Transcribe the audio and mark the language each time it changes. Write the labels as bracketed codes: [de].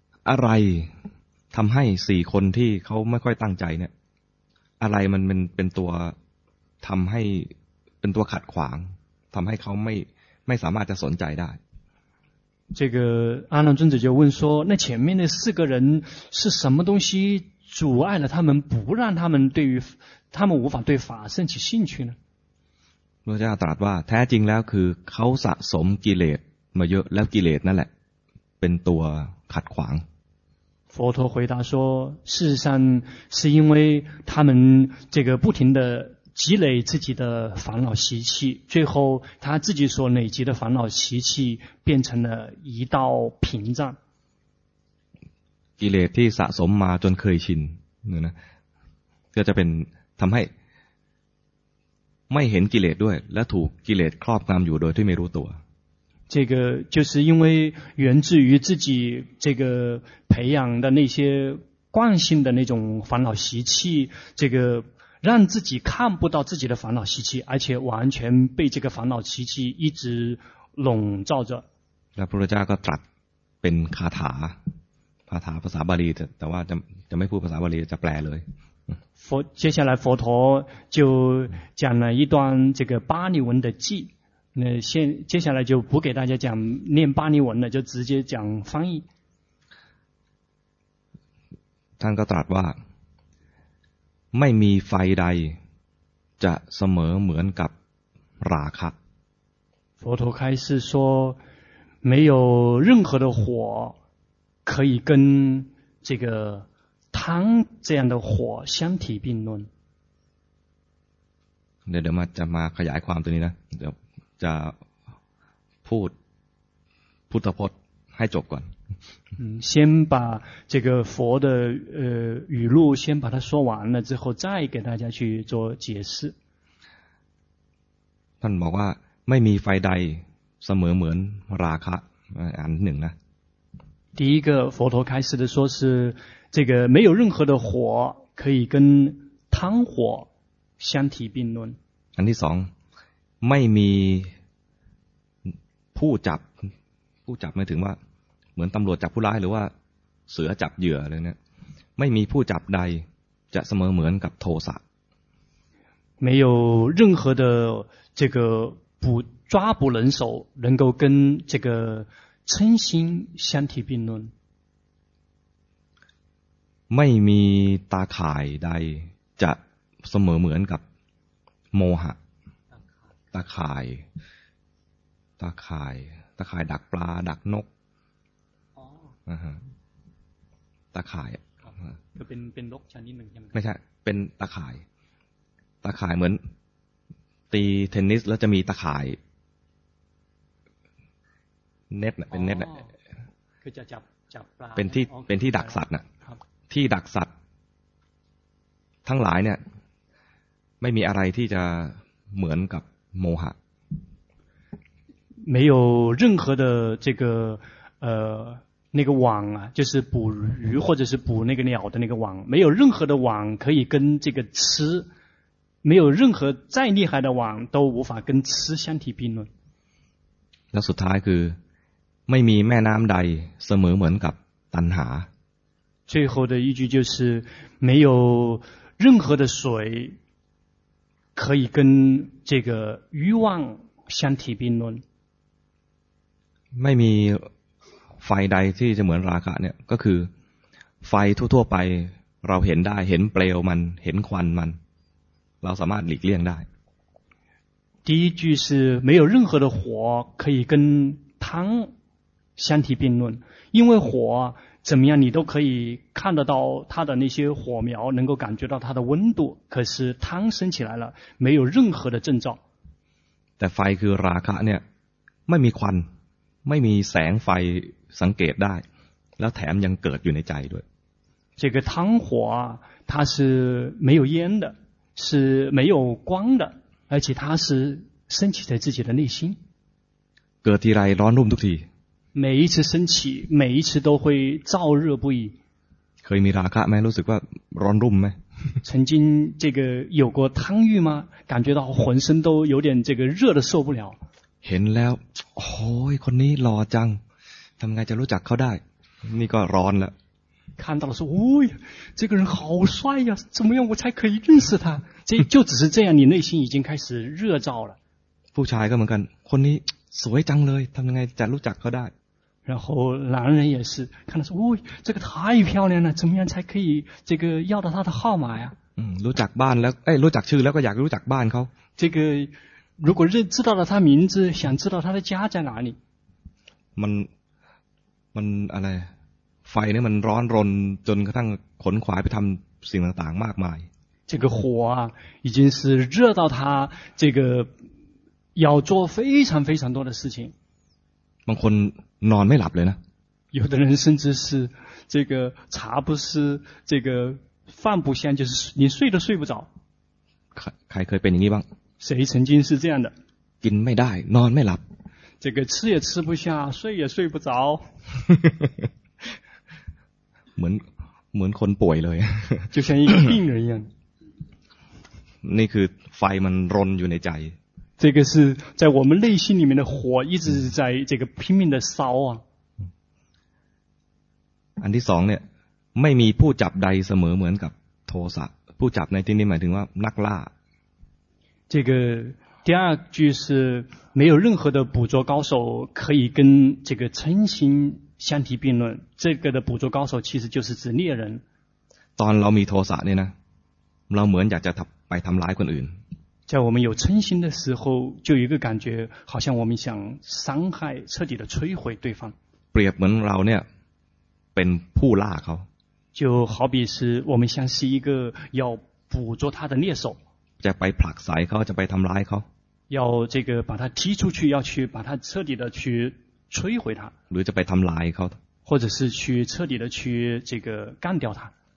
[th] อะไรทำให้สี่คนที่เขาไม่ค่อยตั้งใจเนี่ยอะไรมันเป็นตัวทำให้เป็นตัวขัดขวางทำให้เขาไม่สามารถจะสนใจได้ [zh] 这个阿难尊者就问说那前面那四个人是什么东西阻碍了他们不让他们对于他们无法对法生起兴趣呢 [th] พระเจ้าตรัสว่าแท้จริงแล้วคือเขาสะสมกิเลสมาเยอะแล้วกิเลสนั่นแหละเป็นตัวขัดขวาง [zh] 佛陀回答说事实上是因为他们这个不停的积累自己的烦恼习气最后他自己所累积的烦恼习气变成了一道屏障 [th] กิเลสที่สะสมมาจนเคยชินนะก็จะเป็นทำใหไม่เห็นกิเลสด้วยและถูกกิเลสครอบงำอยู่โดยที่ไม่รู้ตัว [zh] 这个就是因为源自于自己这个培养的那些惯性的那种烦恼习气这个让自己看不到自己的烦恼习气而且完全被这个烦恼习气一直笼罩着 [th] และพระพุทธเจ้าก็ตรัสเป็นคาถาคาถาภาษาบาลีแต่ว่าจะไม่พูดภาษาบาลีจะแปลเลย [zh] 接下来佛陀就讲了一段这个巴利文的偈那现接下来就不给大家讲念巴利文了，就直接讲翻译。 [th] ท่านก็ตรัสว่าไม่มีไฟใดจะเสมอเหมือนกับราคะ [zh] 佛陀开示说没有任何的火可以跟这个贪这样的火相提并论 [th] เดี๋ยวมาจะมาขยายความตัวนี้นะเดี๋ยวจะพูดพุทธพจน์ให้จบก่อน [zh] 先把这个佛的语录先把它说完了之后再给大家去做解释 [th] ท่านบอกว่าไม่มีไฟใดเสมอเหมือนราคะอันหนึ่งนะ [zh] 第一个佛陀开始的说是这个没有任何的火可以跟贪火相提并论 [th] อันที่สองไม่มีผู้จับไม่ถึงว่าเหมือนตำรวจจับผู้ร้ายหรือว่าเสือจับเหยื่ออะไรเนี่ยไม่มีผู้จับใดจะเสมอเหมือนกับโทสะ [zh] 没有任何的这个捕抓捕人手能够跟这个嗔心相提并论 [th] ไม่มีตาข่ายใดจะเสมอเหมือนกับโมหะตาข่ายตาข่ายตาข่ายดักปลาดักนกตาข่าย ก็เป็นนกชนิดหนึ่ง ไม่ใช่เป็นตาข่ายตาข่ายเหมือนตีเทนนิสแล้วจะมีตาข่ายเน็ตเป็นเน็ต คือจะจับปลา เป็นที่ดักสัตว์น่ะที่ดักสัตว์ทั้งหลายเนี่ยไม่มีอะไรที่จะเหมือนกับโมหะ [zh] 没有任何的这个那个网啊就是捕鱼或者是捕那个鸟的那个网没有任何的网可以跟这个吃没有任何再厉害的网都无法跟吃相提并论 [th] แล้วสุดท้ายคือไม่มีแม่น้ำใดเสมอเหมือนกับตัณหา [zh] 最后的一句就是没有任何的水可以跟这个欲望相提并论 [th] ไม่มีไฟใดที่จะเหมือนราคะเนี่ยก็คือไฟทั่วๆไปเราเห็นได้เห็นเปลวมันเห็นควันมันเราสามารถหลีกเลี่ยงได้ [zh] 第一句是没有任何的火可以跟贪相提并论因为火怎么样你都可以看得到它的那些火苗能够感觉到它的温度可是贪升起来了没有任何的征兆 [th] แต่ไฟคือราคะเนี่ยไม่มีควันไม่มีแสงไฟสังเกตได้แล้วแถมยังเกิดอยู่ในใจด้วย [zh] 这个贪火它是没有烟的是没有光的而且它是升起在自己的内心 [th] เกิดทีไรร้อนรุ่มทุกที [zh] 每一次升起每一次都会燥热不已 [th] เคยมีราคะไหมรู้สึกว่าร้อนรุ่มไหม [zh] 曾经这个有过贪欲吗感觉到浑身都有点这个热的受不了 [th] เห็นแล้วโอ้ยคนนี้หล่อจังทำไงจะรู้จักเขาได้นี่ก็ร้อนแล้ว [zh] 看到了说โอ้ย这个人好帅呀怎么样我才可以认识他这就只是这样你内心已经开始热燥了 [th] ผู้ชายก็เหมือนกันคนนี้สวยจังเลยทำไงจะรู้จักเขาได้ [zh] 然后男人也是看到说โอ้ย这个太漂亮了怎么样才可以这个要到他的号码呀 [th] รู้จักบ้านแล้วเอ้ยรู้จักชื่อแล้วก็อยากรู้จักบ้านเขา [zh] 这个如果认知道了他名字想知道他的家在哪里 [th] มันอะไรไฟเนี่ยมันร้อนรนจนกระทั่งขนขวายไปทำสิ่งต่างๆมากมาย [zh] 这个火啊已经是热到他这个要做非常非常多的事情 [th] บางคนนอนไม่หลับเลยนะ [zh] 有的人甚至是这个茶不思这个饭不香就是你睡都睡不着 [th] ใครเคยเป็นอย่างนี้บ้าง [zh] 谁曾经是这样的 [th] กินไม่ได้นอนไม่หลับ [zh] 这个吃也吃不下睡也睡不着 [th] เหมือนคนป่วยเลย [zh] 就像一个病人一样 [th] นี่คือไฟมันรนอยู่ในใจ [zh] 这个是在我们内心里面的火一直在这个拼命的烧啊 [th] อันที่สองเนี่ยไม่มีผู้จับใดเสมอเหมือนกับโทสะผู้จับในที่นี้หมายถึงว่านักล่า [zh] 这个第二句是没有任何的捕捉高手可以跟这个嗔心相提并论，这个的捕捉高手其实就是指猎人。 [th] ตอนเรามีโทสะเนี่ยนะเราเหมือนอยากจะไปทำร้ายคนอื่น [zh] 在我们有嗔心的时候就有一个感觉好像我们想伤害彻底的摧毁对方 [th] เปรียบเหมือนเราเนี่ยเป็นผู้ล่าเขา [zh] 就好比是我们像是一个要捕捉他的猎手 [th] จะไปผลักใส่เขาจะไปทำร้ายเขา [zh] 要这个把他踢出去要去把他彻底的去摧毁他 [th] หรือจะไปทำร้ายเขา [zh] 或者是去彻底的去这个干掉他